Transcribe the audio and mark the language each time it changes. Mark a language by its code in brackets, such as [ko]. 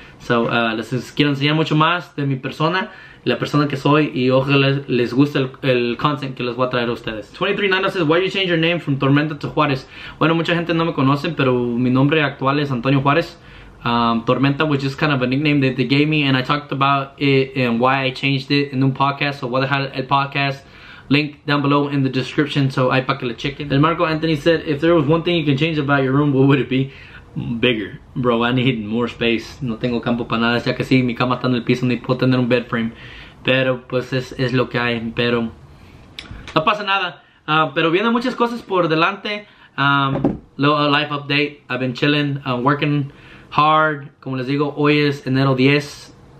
[es] So, les quiero enseñar mucho más de mi persona, la persona que soy, y ojalá les guste el content que les voy a traer a ustedes. [en] 23 Nano says, why you change your name from Tormenta to Juárez? [es] Bueno, mucha gente no me conoce, pero mi nombre actual es Antonio Juárez. [en] Tormenta was just kind of a nickname that they gave me, and I talked about it and why I changed it in [es] un [en] podcast. So [es] voy a dejar el [en] podcast link down below in the description, so [es] hay pa' que le chequen. [en] And Marco Anthony said, if there was one thing you can change about your room, what would it be? Bigger. Bro, I need more space. [es] No tengo campo para nada, ya que sí, mi cama está en el piso, ni puedo tener un bed frame. Pero pues es lo que hay, pero no pasa nada. Pero vienen muchas cosas por delante. [en] Little life update. I've been chilling, working hard. [es] Como les digo, hoy es enero 10.